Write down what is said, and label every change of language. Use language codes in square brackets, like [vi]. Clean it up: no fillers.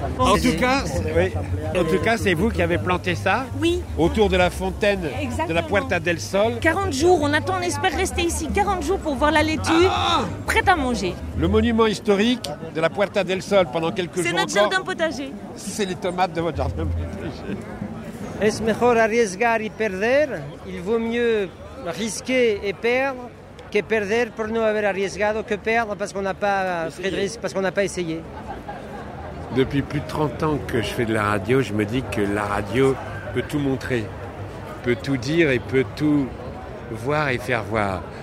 [fr] En tout cas, c'est vous qui avez planté ça? Oui. Autour de la fontaine. Exactement. De la Puerta del Sol. 40 jours, on attend, on espère rester ici 40 jours pour voir la laitue prête à manger. Le monument historique de la Puerta del Sol pendant quelques c'est jours. C'est notre jardin potager. C'est les tomates de votre jardin potager. [es] Es mejor arriesgar y perder. [fr] Il vaut mieux risquer et perdre que [es] perder [fr] pour nous avoir [es] arriesgado, [fr] que perdre parce qu'on n'a pas Frédéric, parce qu'on n'a pas essayé. Depuis plus de 30 ans que je fais de la radio, je me dis que la radio peut tout montrer, peut tout dire et peut tout voir et faire voir.